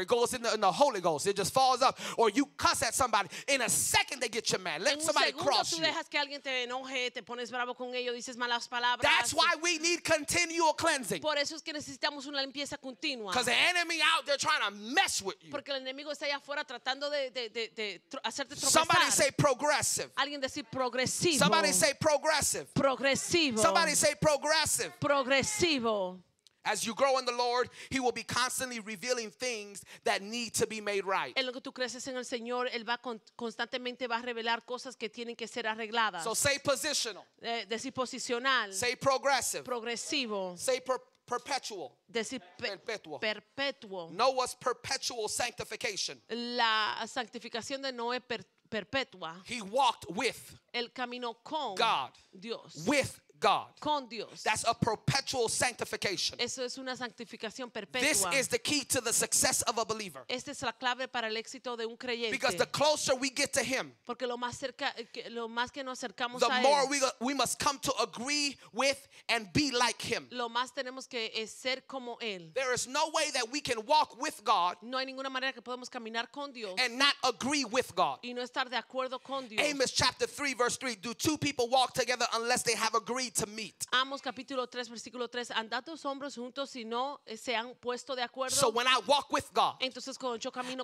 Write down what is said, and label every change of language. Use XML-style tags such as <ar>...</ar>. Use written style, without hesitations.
<en>It goes in the Holy Ghost. It just falls up. Or you cuss at somebody. In a second, they get you mad. Let</en> <es>en</es> <en>somebody</en> <es>un segundo,</es> <en>cross</en> <es>tú</es> <en>you.</en> <es>Dejas que alguien te enoje, te pones bravo con ellos, dices malas palabras.</es> <en>That's why we need continual cleansing.</en> <es>Por eso es que necesitamos una limpieza continua.</es> <en>Because the enemy out there trying to mess with you.</en> <es>Porque el enemigo está allá afuera tratando de hacerte tropezar.</es> <en>Somebody say progressive.</en> <es>Alguien decir progresivo.</es> <en>Somebody say progressive.</en> <es>Progresivo.</es> <en>Somebody say progressive.</en> <es>Progresivo.</es> <en>As you grow in the Lord, He will be constantly revealing things that need to be made right.</en> <es>En lo que tú creces en el Señor, él va constantemente va a revelar cosas que tienen que ser arregladas.</es> <en>So say positional.</en> <es>Decir posicional.</es> <en>Say progressive.</en> <es>Progresivo.</es> <en>Say perpetual.</en> <es>Decir perpetuo. Perpetuo.</es> <en>Noah's perpetual sanctification.</en> <es>La santificación de Noé perpetua.</es> <en>He walked with.</en> <es>El caminó con.</es> <en>God.</en> <es>Dios.</es> <en>With. God.</en> <es>Con Dios.</es> <en>That's a perpetual sanctification.</en> <es>Eso es una santificación perpetua.</es> <en>This is the key to the success of a believer.</en> <es>Esta es la clave para el éxito de un creyente.</es> <en>Because the closer we get to Him,</en> <es>porque lo más cerca, lo más que nos acercamos</es> <en>the</en> <es>a</es> <en>more</en> <es>él,</es> <en>we must come to agree with and be like Him.</en> <es>Lo más tenemos que es ser como él.</es> <en>There is no way that we can walk with God,</en> <es>no hay ninguna manera que podemos caminar con Dios,</es> <en>and not agree with God.</en> <es>Y no estar de acuerdo con Dios.</es> <en>Amos chapter 3 verse 3. Do two people walk together unless they have agreed to meet?</en> <es>Amos capítulo 3 versículo 3. Andad dos hombres juntos si no se han puesto de acuerdo.</es> <en>So when I walk with God,</en> <es>entonces cuando yo camino</es>